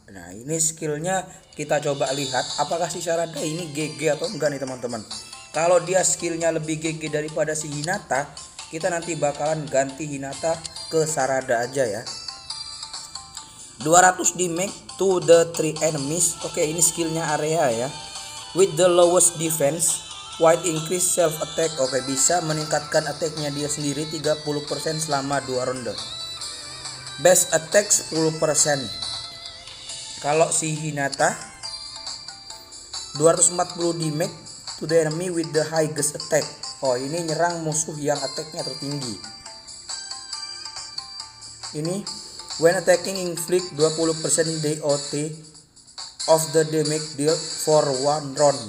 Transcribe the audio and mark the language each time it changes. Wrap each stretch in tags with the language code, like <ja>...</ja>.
<id>Nah, ini skillnya kita coba lihat apakah si Sarada ini GG atau enggak nih, teman-teman. Kalau dia skillnya lebih GG daripada si Hinata, kita nanti bakalan ganti Hinata ke Sarada aja ya.</id> <en>200 damage to the 3 enemies.</en> <id>Oke, ini skillnya area ya.</id> <en>With the lowest defense, white increase self attack.</en> <id>Oke, bisa meningkatkan attack-nya dia sendiri 30% selama 2 ronde.</id> <en>Best attack 10%.</en> <id>Kalau si Hinata</id> <en>240 damage to the enemy with the highest attack.</en> <id>Oh, ini nyerang musuh yang attack-nya tertinggi. Ini</id> <en>when attacking inflict 20% DOT of the damage dealt for one round.</en>